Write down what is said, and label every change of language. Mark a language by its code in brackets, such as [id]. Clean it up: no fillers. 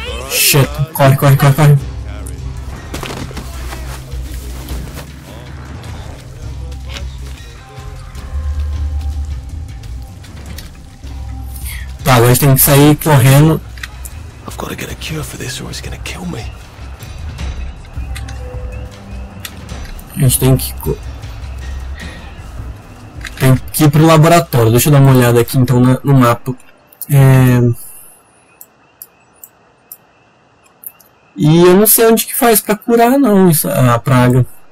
[pt] Shit, corre, corre, corre, corre. Tá, agora a gente tem que sair correndo. [en] I've got to get a cure for this or it's gonna kill me. [pt] A gente tem que ir pro laboratório. Deixa eu dar uma olhada aqui então no mapa. E eu não sei onde que faz pra curar não isso, a praga.